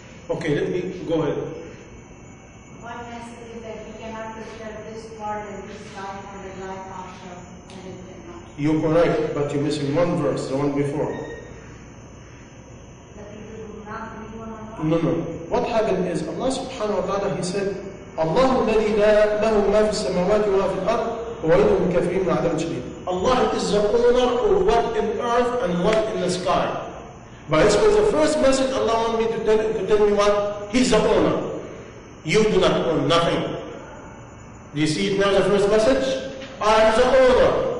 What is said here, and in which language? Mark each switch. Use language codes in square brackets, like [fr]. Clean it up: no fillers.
[en] Okay, let me go ahead. One message is that we cannot prepare this world and this life for the life after, and it cannot. You're correct, but you're missing one verse, the one before. That people do not believe on Allah? No, no. What happened is Allah subhanahu wa ta'ala, he said, Allah [ar] الذي لا له ما في السماوات ولا في الأرض وَوَيْلٌ لِلْكَافِرِينَ مِنْ عَذَابٍ شَدِيدٍ. [en] Allah is the owner of what in earth and what in the sky. But this was the first message Allah wanted me to tell me what? He's the owner. You do not own nothing. Do you see it now, the first message? I am the owner.